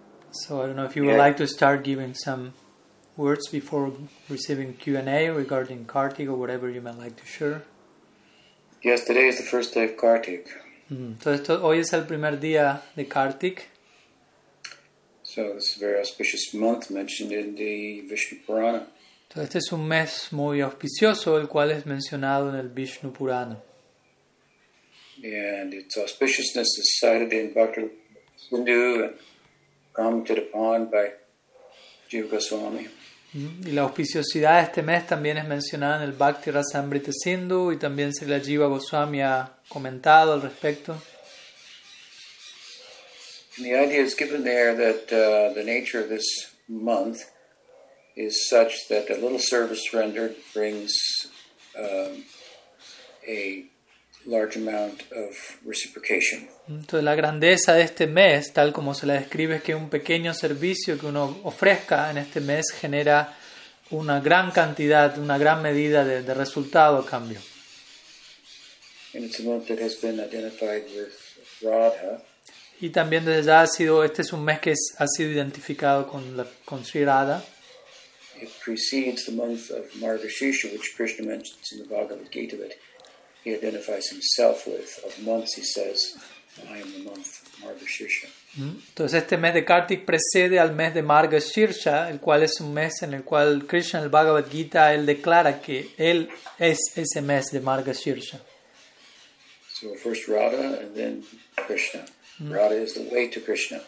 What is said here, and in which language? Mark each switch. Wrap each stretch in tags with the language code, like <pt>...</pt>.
<en>So I don't know if you would like to start giving some words before receiving Q&A regarding Kartik or whatever you might like to share. Yes, today is the first day of Kartik.</en> <es>So hoy es el primer día de Kartik.</es> <en>So this is a very auspicious month mentioned in the Vishnu Purana.</en> <es>Entonces este es un mes muy auspicioso, el cual es mencionado en el Vishnu Purana.</es> <en>And its auspiciousness is cited in Bhakti Sindhu and commented upon by Jiva Goswami.</en> <es>Y la auspiciosidad de este mes también es mencionada en el Bhakti Rasamrita Sindhu y también Srila Jiva Goswami ha comentado al respecto.</es> <en>And the idea is given there that the nature of this month is such that a little service rendered brings a large amount of reciprocation.</en> <es>Entonces la grandeza de este mes, tal como se la describe, es que un pequeño servicio que uno ofrezca en este mes genera una gran cantidad, una gran medida de resultado a cambio.</es> <en>And it's a month that has been identified with Radha.</en> <es>Y también desde ya este es un mes que ha sido identificado con Sri Radha.</es> <en>It precedes the month of Margashisha, which Krishna mentions in the Bhagavad Gita, but he identifies himself with of months, he says, I am the month of Margashisha.</en> <es>Entonces este mes de Kartik precede al mes de Margashisha, el cual es un mes en el cual Krishna, el Bhagavad Gita, él declara que él es ese mes de Margashisha.</es> <en>So first Radha and then Krishna. Radha is the way to Krishna.</en>